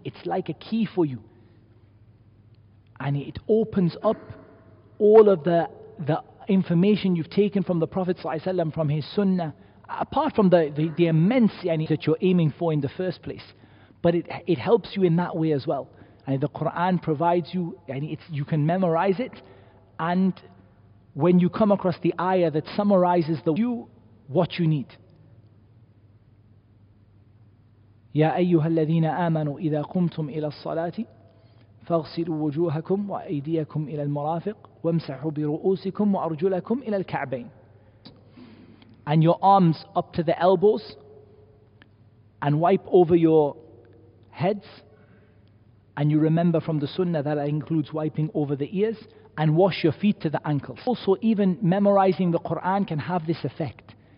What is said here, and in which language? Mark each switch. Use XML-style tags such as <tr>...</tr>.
<en>It's like a key for you. And it opens up all of the information you've taken from the Prophet ﷺ, from his sunnah, apart from the immense that you're aiming for in the first place. But it helps you in that way as well. And the Quran provides you, you can memorize it, and when you come across the ayah that summarizes what you need.</en> <ar>يا أيها الذين آمنوا إذا قمتم إلى الصلاة فاغسلوا وجوهكم وأيديكم إلى المرافق وامسحوا برؤوسكم وأرجلكم إلى الكعبين.</ar> <en>And your arms up to the elbows, and wipe over your heads, and you remember from the sunnah that includes wiping over the ears, and wash your feet to the ankles. Also, even memorizing the Quran can have this effect.</en>